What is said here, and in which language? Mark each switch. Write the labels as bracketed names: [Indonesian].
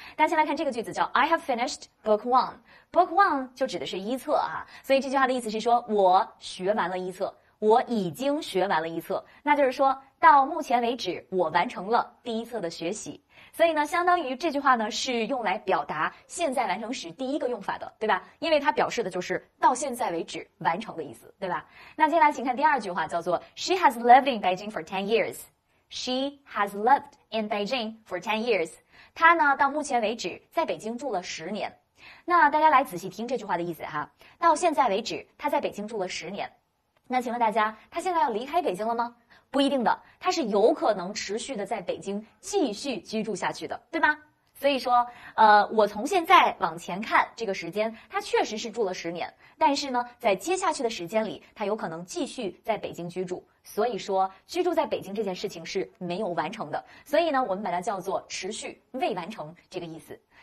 [Chinese] 大家先来看这个句子，叫 [English] I have finished book one， [Chinese] book one 就指的是一册啊，所以这句话的意思是说我学完了一册，我已经学完了一册，那就是说到目前为止我完成了第一册的学习。所以呢，相当于这句话呢是用来表达现在完成时第一个用法的，对吧？因为它表示的就是到现在为止完成的意思，对吧？那接下来请看第二句话，叫做 [English] She has lived in Beijing for 10 years， [Chinese] She has lived in Beijing for 10 years， 她呢到目前为止在北京住了十年。那大家来仔细听这句话的意思哈，到现在为止她在北京住了十年，那请问大家，她现在要离开北京了吗？不一定的，他是有可能持续的在北京继续居住下去的，对吗？所以说我从现在往前看这个时间，他确实是住了十年，但是呢在接下去的时间里他有可能继续在北京居住，所以说居住在北京这件事情是没有完成的，所以呢我们把它叫做持续未完成这个意思。